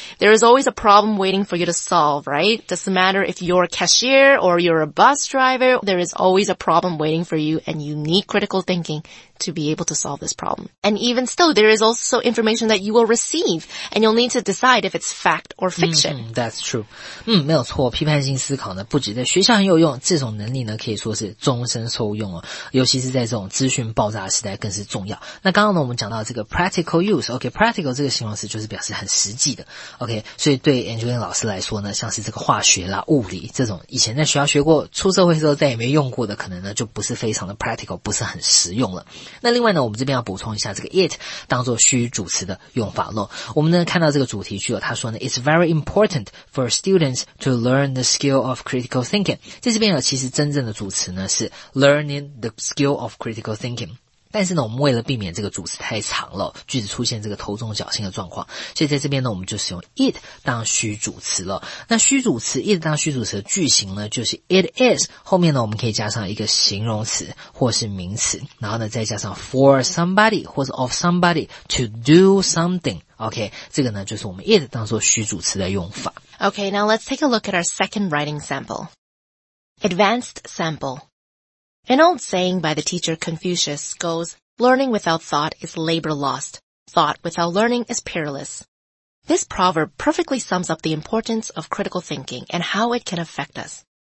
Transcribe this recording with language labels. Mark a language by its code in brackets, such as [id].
[en] There is always a problem waiting for you to solve, right? Doesn't matter if you're a cashier or you're a bus driver, there is always a problem waiting for you, and you need critical thinking to be able to solve this problem. And even still, there is also information that you will receive, and you'll need to decide if it's fact or fiction. Mm-hmm, that's true. [zh] 嗯，没有错，批判性思考呢，不只在学校很有用，这种能力呢，可以说是终身受用哦，尤其是在这种资讯爆炸的时代更是重要。那刚刚呢，我们讲到这个 practical use, OK, practical 这个形容词就是表示很实际的 ,OK, 所以对 Angeline 老师来说呢，像是这个化学啦、物理这种以前在学校学过，出社会之后再也没用过的，可能呢，就不是非常的 practical, 不是很实用了。那另外呢，我们这边要补充一下这个 it 当作虚主词的用法咯。我们呢看到这个主题句哦，他说呢 ， [en] It's very important for students to learn the skill of critical thinking。 [zh] 在这边呢，其实真正的主词呢是 [en] learning the skill of critical thinking。 [zh] 但是呢，我们为了避免这个主词太长了，句子出现这个头重脚轻的状况，所以在这边呢，我们就使用 it 当虚主词了。那虚主词 it 当虚主词的句型呢，就是 it is 后面呢，我们可以加上一个形容词或是名词，然后呢，再加上 [en] for somebody [zh] 或是 [en] of somebody to do something。 [zh] OK, 这个呢，就是我们 it 当作虚主词的用法。 [en] OK, now let's take a look at our second writing sample, advanced sample. An old saying by the teacher Confucius goes, learning without thought is labor lost, thought without learning is perilous. This proverb perfectly sums up the importance of critical thinking and how it can affect us.